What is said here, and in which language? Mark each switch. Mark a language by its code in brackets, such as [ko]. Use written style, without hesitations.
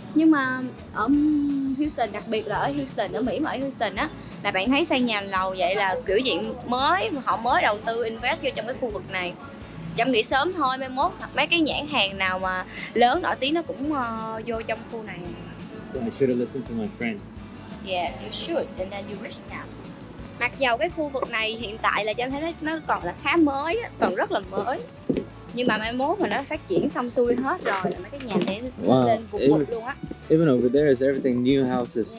[vi] Nhưng mà ở Houston, đặc biệt là ở Houston, ở Mỹ mà ở Houston á, là bạn thấy xây nhà lầu vậy là kiểu diện mới, họ mới đầu tư invest vô trong cái khu vực này. Trâm nghĩ sớm thôi, mai mốt mấy cái nhãn hàng nào mà lớn nổi tiếng nó cũng vô trong khu này. [en] So I should have listened to my friend. Yeah, you should, and then you rich now. [vi] Mặc dù cái khu vực này hiện tại là cho em thấy nó còn là khá mới, còn rất là mới. Nhưng mà mai mốt mà nó phát triển xong xuôi hết rồi là mấy cái nhà này lên vụt vụt luôn á. [en] Even over there is everything new houses.